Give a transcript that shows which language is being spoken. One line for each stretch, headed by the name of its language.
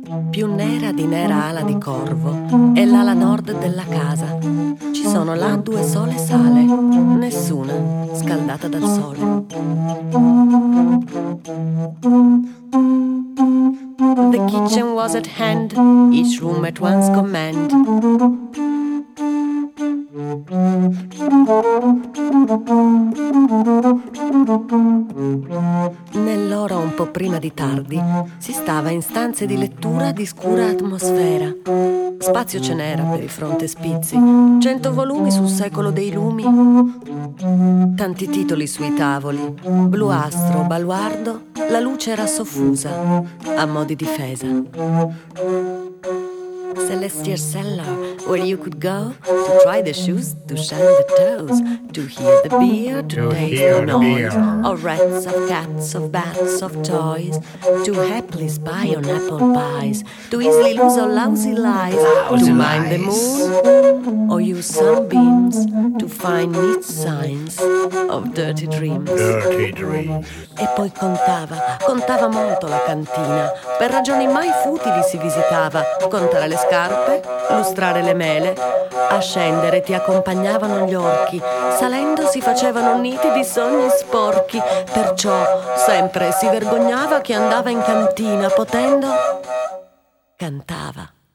Italian: Più nera di nera ala di corvo è l'ala nord della casa. Ci sono là due sole sale, nessuna scaldata dal sole.
English: The kitchen was at hand, each room at one's command.
Italian: Nell'ora un po' prima di tardi si stava in stanze di lettura di scura atmosfera. Spazio ce n'era per i frontespizi, 100 volumi sul secolo dei lumi, tanti titoli sui tavoli, blu astro, baluardo, la luce era soffusa, a mo' di difesa.
English: Celestial cellar, where you could go to try the shoes, to shine the toes, to hear the beer, to taste the noise of rats, of cats, of bats, of toys, to happily spy on apple pies, to easily lose all lousy lies, to mind the moon, or use sunbeams, to find neat signs of dirty dreams. Dirty dreams.
Italian: E poi contava, contava molto la cantina, per ragioni mai futili si visitava, contare le scarpe, lustrare le mele, a scendere ti accompagnavano gli orchi, salendo si facevano niti di sogni sporchi, perciò sempre si vergognava che andava in cantina, potendo cantava.